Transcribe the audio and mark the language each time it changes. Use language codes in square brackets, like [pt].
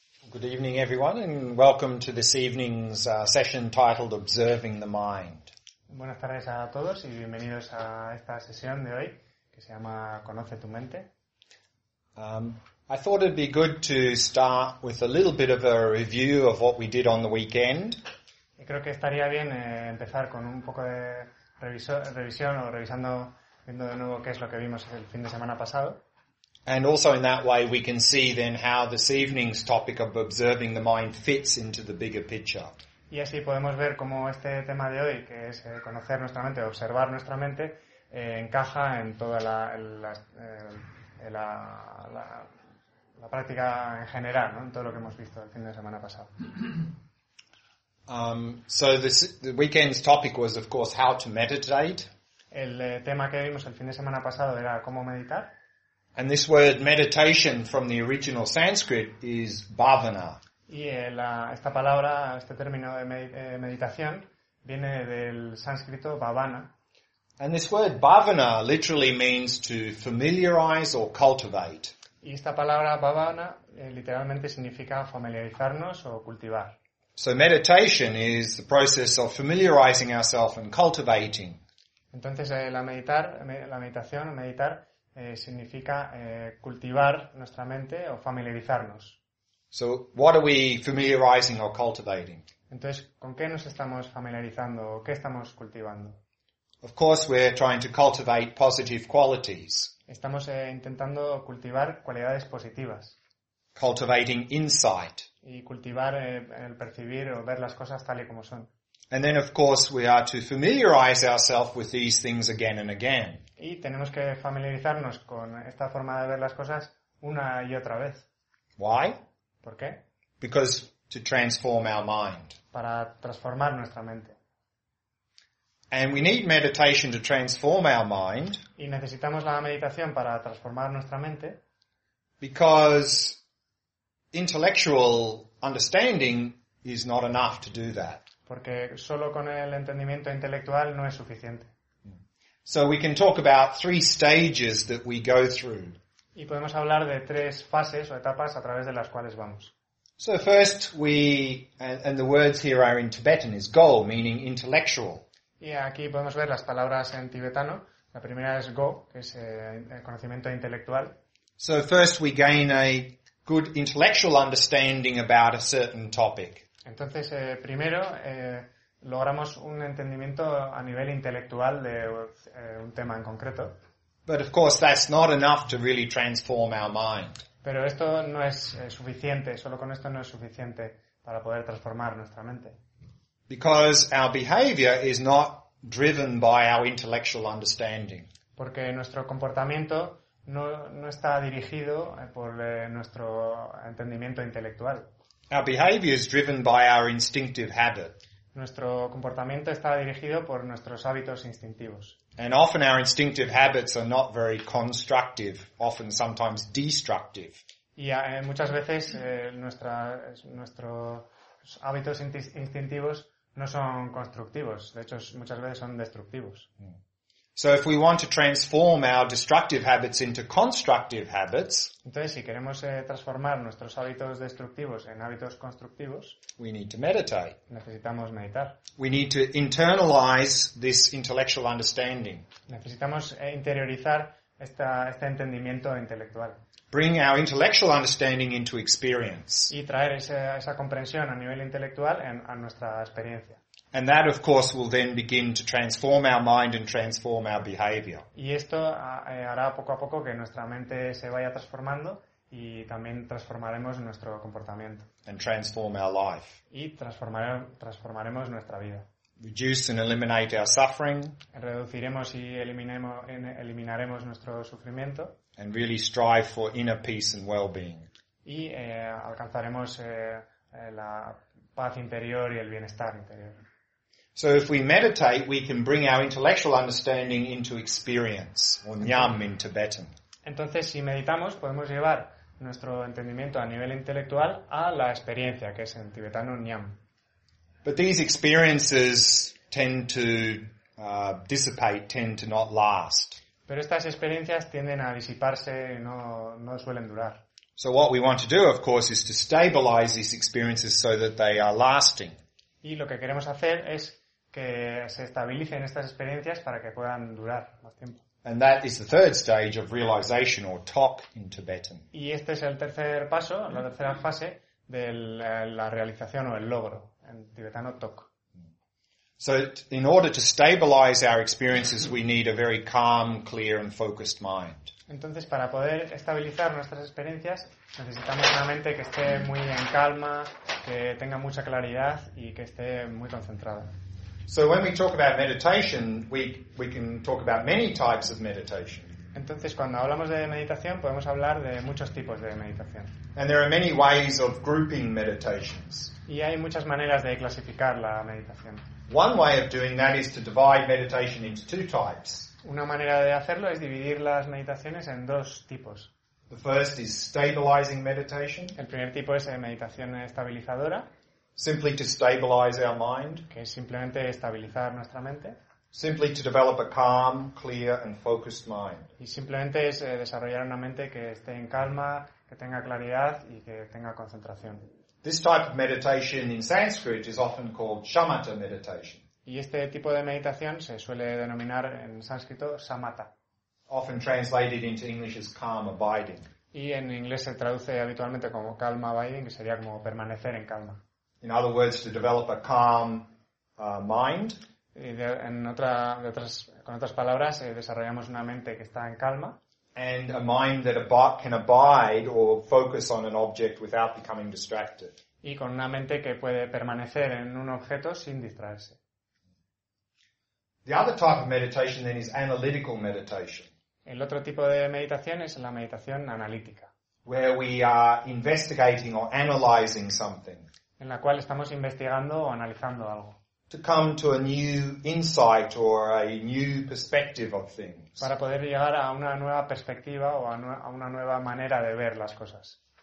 [en] Good evening, everyone, and welcome to this evening's session titled Observing the Mind. [es] Buenas tardes a todos y bienvenidos a esta sesión de hoy que se llama Conoce tu mente. [en] I thought it'd be good to start with a little bit of a review of what we did on the weekend. [es] Y creo que estaría bien empezar con un poco de revisión o revisando, viendo de nuevo qué es lo que vimos el fin de semana pasado. [en] And also in that way we can see then how this evening's topic of observing the mind fits into the bigger picture. [es] Y así podemos ver cómo este tema de hoy, que es conocer nuestra mente, observar nuestra mente, encaja en toda la práctica en general, ¿no? En todo lo que hemos visto el fin de semana pasado. [en] So the weekend's topic was of course how to meditate. [es] El tema que vimos el fin de semana pasado era cómo meditar. [en] And this word meditation from the original Sanskrit is bhavana. [es] Y esta palabra, este término de meditación, viene del sánscrito bhavana. [en] And this word bhavana literally means to familiarize or cultivate. [es] Y esta palabra bhavana literalmente significa familiarizarnos o cultivar. [en] So meditation is the process of familiarizing ourselves and cultivating. [es] Entonces meditar significa cultivar nuestra mente o familiarizarnos. [en] So, what are we familiarizing or cultivating? [es] Entonces, ¿con qué nos estamos familiarizando o qué estamos cultivando? [en] Of course, we're trying to cultivate positive qualities. [es] Estamos intentando cultivar cualidades positivas. [en] Cultivating insight. [es] Y cultivar el percibir o ver las cosas tal y como son. [en] And then, of course, we are to familiarize ourselves with these things again and again. [es] Y tenemos que familiarizarnos con esta forma de ver las cosas una y otra vez. [en] Why? [es] ¿Por qué? [en] Because to transform our mind. [es] Para transformar nuestra mente. [en] And we need meditation to transform our mind. [es] Y necesitamos la meditación para transformar nuestra mente. [en] Because intellectual understanding is not enough to do that. [es] Porque solo con el entendimiento intelectual no es suficiente. [en] So we can talk about three stages that we go through. [es] Y podemos hablar de tres fases o etapas a través de las cuales vamos. [en] So first we, and the words here are in Tibetan, is go, meaning intellectual. [es] Y aquí podemos ver las palabras en tibetano. La primera es go, que es el conocimiento intelectual. [en] So first we gain a good intellectual understanding about a certain topic. [es] Entonces, primero, logramos un entendimiento a nivel intelectual de un tema en concreto. [en] But of course, that's not enough to really transform our mind. [es] Pero esto no es suficiente, solo con esto no es suficiente para poder transformar nuestra mente. [en] Because our behavior is not driven by our intellectual understanding. [es] Porque nuestro comportamiento no está dirigido por nuestro entendimiento intelectual. [en] Our behavior is driven by our instinctive habit. [es] Nuestro comportamiento está dirigido por nuestros hábitos instintivos. [en] And often our instinctive habits are not very constructive, often sometimes destructive. [es] Y muchas veces nuestros hábitos instintivos no son constructivos, de hecho muchas veces son destructivos. [en] So if we want to transform our destructive habits into constructive habits, [es] entonces si queremos transformar nuestros hábitos destructivos en hábitos constructivos, [en] we need to meditate. [es] Necesitamos meditar. [en] We need to internalize this intellectual understanding. [es] Necesitamos interiorizar este entendimiento intelectual. [en] Bring our intellectual understanding into experience. [es] Y traer esa comprensión a nivel intelectual a nuestra experiencia. [en] And that, of course, will then begin to transform our mind and transform our behavior. [es] Y esto hará poco a poco que nuestra mente se vaya transformando y también transformaremos nuestro comportamiento. [en] And transform our life. [es] Y transformaremos nuestra vida. [en] Reduce and eliminate our suffering. [es] Reduciremos y eliminaremos nuestro sufrimiento. [en] And really strive for inner peace and well-being. [es] Y alcanzaremos la paz interior y el bienestar interior. [en] So if we meditate, we can bring our intellectual understanding into experience, or nyam in Tibetan. [es] Entonces, si meditamos, podemos llevar nuestro entendimiento a nivel intelectual a la experiencia, que es en tibetano nyam. [en] But these experiences tend to dissipate, tend to not last. [es] Pero estas experiencias tienden a disiparse, no suelen durar. [en] So what we want to do, of course, is to stabilize these experiences so that they are lasting. [es] Y lo que queremos hacer es que se estabilicen estas experiencias para que puedan durar más tiempo. [en] And that is the third stage of realization, or talk in Tibetan. [es] Y este es el tercer paso, la tercera fase de la realización o el logro, en tibetano tok. [en] So in order to stabilize our experiences, we need a very calm, clear and focused mind. [es] Entonces, para poder estabilizar nuestras experiencias, necesitamos una mente que esté muy en calma, que tenga mucha claridad y que esté muy concentrada. [en] So when we talk about meditation, we can talk about many types of meditation. [es] Entonces, cuando hablamos de meditación, podemos hablar de muchos tipos de meditación. [en] And there are many ways of grouping meditations. [es] Y hay muchas maneras de clasificar la meditación. [en] One way of doing that is to divide meditation into two types. [es] Una manera de hacerlo es dividir las meditaciones en dos tipos. [en] The first is stabilizing meditation. [es] El primer tipo es meditación estabilizadora. [en] Simply to stabilize our mind. [es] Que es simplemente estabilizar nuestra mente. [en] Simply to develop a calm, clear and focused mind. [es] Y simplemente es desarrollar una mente que esté en calma, que tenga claridad y que tenga concentración. [en] This type of meditation in Sanskrit is often called shamatha meditation. [es] Y este tipo de meditación se suele denominar en sánscrito samatha. [en] Often translated into English as calm abiding. [es] Y en inglés se traduce habitualmente como calma abiding, que sería como permanecer en calma. [en] In other words, to develop a calm mind. [es] Y con otras palabras, desarrollamos una mente que está en calma. [en] And a mind that can abide or focus on an object without becoming distracted. [es] Y con una mente que puede permanecer en un objeto sin distraerse. [en] The other type of meditation then is analytical meditation. [es] El otro tipo de meditación es la meditación analítica. [en] Where we are investigating or analyzing something. [es] En la cual estamos investigando o analizando algo. [en] To come to a new insight or a new perspective of things. [es] Para poder llegar a una nueva perspectiva o a una nueva manera de ver las cosas.